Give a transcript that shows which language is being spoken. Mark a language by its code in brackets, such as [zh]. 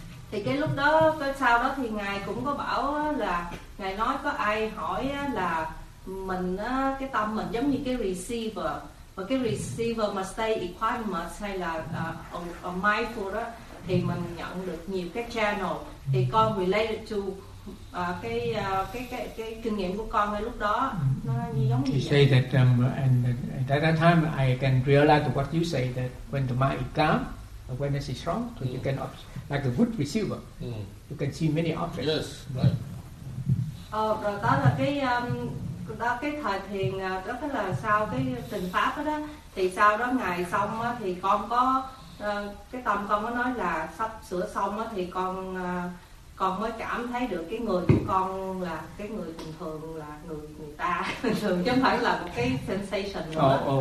[vi] Thì cái lúc đó, cái sau đó thì ngài cũng có bảo là ngài nói có ai hỏi là mình cái tâm mình giống như cái receiver. Và cái receiver mà [en] stay equanimous [vi] hay là mindful đó, thì mình nhận được nhiều cái channel, thì con [en] related to [vi] cái kinh nghiệm của con ngay lúc đó nó như giống như [en] say that and at that time I can realize what you say, that when the mind is calm, awareness is strong, so you can like a good receiver, you can see many objects. Yes, right. [vi] Rồi đó là cái thời thiền đó, tức là sau cái trình pháp đó, thì sau đó ngày xong á, thì con có cái tâm con có nói là sắp sửa xong á, thì con mới cảm thấy được cái người của con là cái người bình thường, là người ta thường, chứ không phải là một cái sensation nữa.